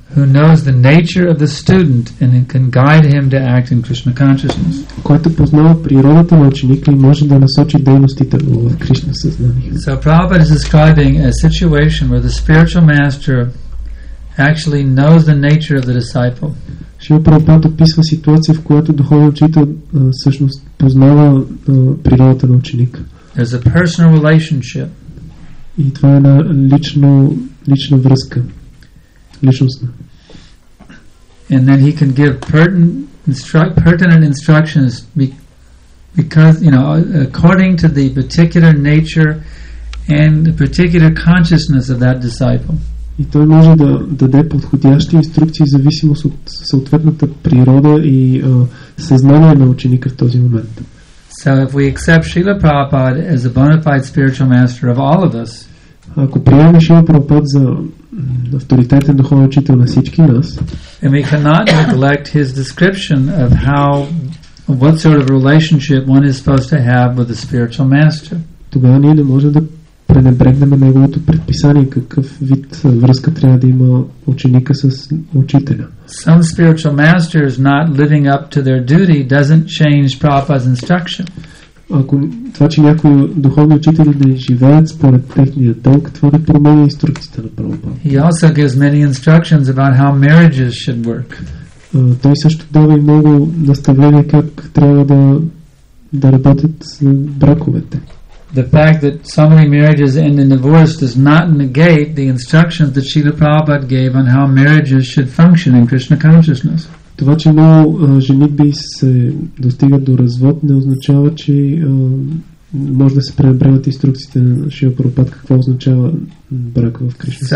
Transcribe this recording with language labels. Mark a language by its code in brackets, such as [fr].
[en] Who knows the nature of the student and can guide him to act in Krishna consciousness. [bg] Който познава природата на ученика и може да насочи дейностите му в Кришна съзнание. [en] So Prabhupada is describing a situation where the spiritual master actually knows the nature of the disciple. [bg] Шрила Прабхупада описва ситуация, в която духовен учител всъщност познава природата на ученика. [en] There's a personal relationship. [bg] И това е една лична връзка. Личностна. [en] And then he can give pertinent instructions because, you know, according to the particular nature and the particular consciousness of that disciple. [bg] И той може да даде подходящи инструкции в зависимост от съответната природа и съзнание на ученика в този момент. [en] So if we accept Srila Prabhupada as a bona fide spiritual master of all of us, [bg] ако приемем Шрила Прабхупада за авторитетен духовен учител на всички нас, [en] and we cannot neglect his description of how, of what sort of relationship one is supposed to have with the spiritual master. [bg] Тогава ние не можем да пренебрегнем неговото предписание какъв вид връзка трябва да има ученика с учителя. [en] Some spiritual masters not living up to their duty doesn't change Prabhupada's instruction. [bg] Ако това, че някои духовни учители не живеят според техния дълг, това не променя инструкцията на Прабхупада. [en] He also gives many instructions about how marriages should work. [bg] Той също дава много наставления как трябва да работят браковете. [en] The fact that so many marriages end in divorce does not negate the instructions that Srila Prabhupada gave on how marriages should function in Krishna consciousness. [bg] Това, че много женитби се достигат до развод, не означава, че може да се пренебрегнат инструкциите на Шрила Прабхупада какво означава брак в Кришна.